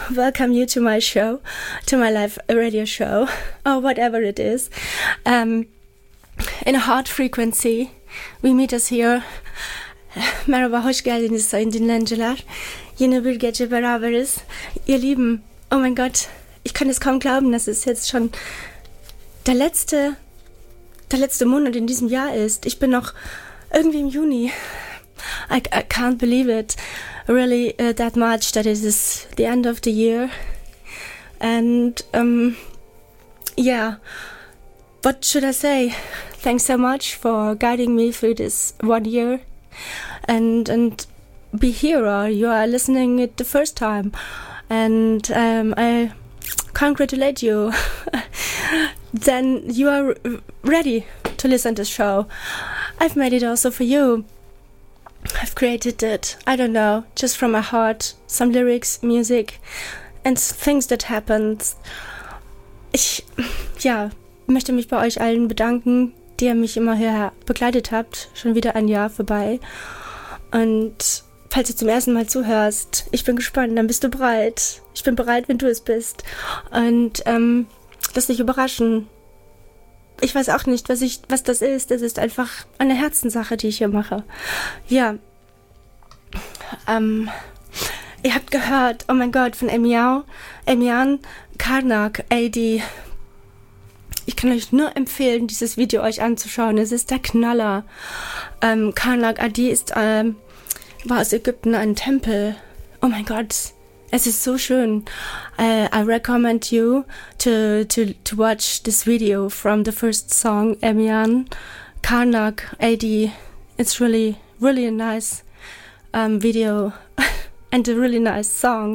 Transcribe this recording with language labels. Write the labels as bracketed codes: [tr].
[en] Welcome you to my show, to my live radio show, or whatever it is. In a hard frequency, we meet us here. [tr] Merhaba, hoş geldiniz sayın dinleyiciler. Yine bir gece beraberiz. [de] Ihr Lieben, oh mein Gott, ich kann es kaum glauben, dass es jetzt schon der letzte Monat in diesem Jahr ist. Ich bin noch irgendwie im Juni. [en] I can't believe it. Really, that much that it is the end of the year. And, yeah. What should I say? Thanks so much for guiding me through this 1 year. And be here, or you are listening it the first time. And I congratulate you. Then you are ready to listen to this show. I've made it also for you. I've created it, I don't know, just from my heart, some lyrics, music, and things that happened. [de] Ich, ja, möchte mich bei euch allen bedanken, die ihr mich immer hier begleitet habt, schon wieder ein Jahr vorbei. Und falls du zum ersten Mal zuhörst, ich bin gespannt, dann bist du bereit. Ich bin bereit, wenn du es bist. Und lass dich überraschen. Ich weiß auch nicht, was das ist. Das ist einfach eine Herzenssache, die ich hier mache. Ja. Ihr habt gehört, oh mein Gott, von Emian Karnak, AD. Ich kann euch nur empfehlen, dieses Video euch anzuschauen. Es ist der Knaller. Karnak AD ist, war aus Ägypten ein Tempel. Oh mein Gott. Es ist so schön. [en] I recommend you to watch this video from the first song, Emian Karnak AD. It's really, really a nice video and a really nice song.